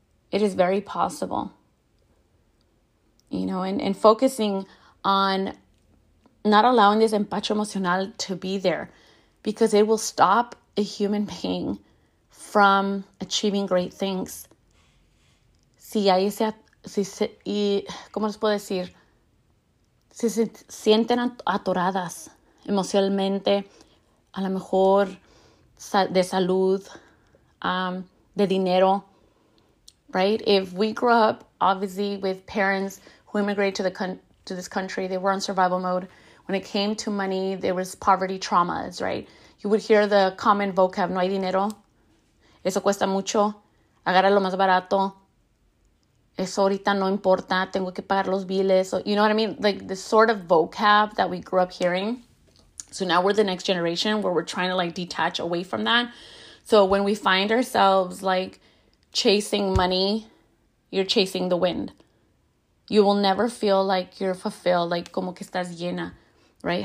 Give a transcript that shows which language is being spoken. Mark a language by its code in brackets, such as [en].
[en] It is very possible. You know, and focusing on not allowing this [es] empacho emocional [en] to be there, because it will stop a human being from achieving great things. [es] Si hay ese, si se, y, ¿cómo les puedo decir? Si se sienten atoradas emocionalmente, a lo mejor de salud, de dinero, right? [en] If we grew up, obviously, with parents who immigrated to this country, they were on survival mode. When it came to money, there was poverty traumas, right? You would hear the common vocab, [es] no hay dinero. Eso cuesta mucho, agarra lo más barato, eso ahorita no importa, tengo que pagar los biles. [en] So, you know what I mean? Like the sort of vocab that we grew up hearing. So now we're the next generation where we're trying to like detach away from that. So when we find ourselves like chasing money, you're chasing the wind. You will never feel like you're fulfilled, like [es] como que estás llena, [en] right?